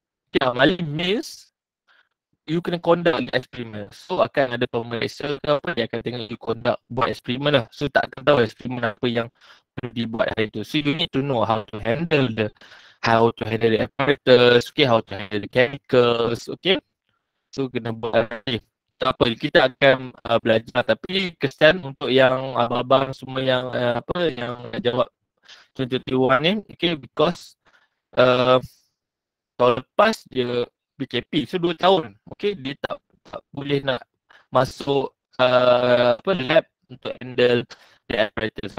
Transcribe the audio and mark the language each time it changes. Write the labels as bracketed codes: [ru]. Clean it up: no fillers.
[en] Okay, amali means you kena conduct the experiment. [ms] So akan ada pemeriksa ke apa, dia akan tengok you conduct buat experiment lah. So tak akan tahu experiment apa yang perlu dibuat hari tu. [en] So you need to know how to handle the, how to handle the apparatus, okay, how to handle the chemicals, okay. [ms] So kena buat amali. Tak apa, kita akan belajar. Tapi kesan untuk yang abang-abang semua yang apa yang jawab 2021 ni, okay, because tahun lepas dia PKP, so 2 tahun, okay, dia tak boleh nak masuk apa lab untuk [en] handle the apparatus.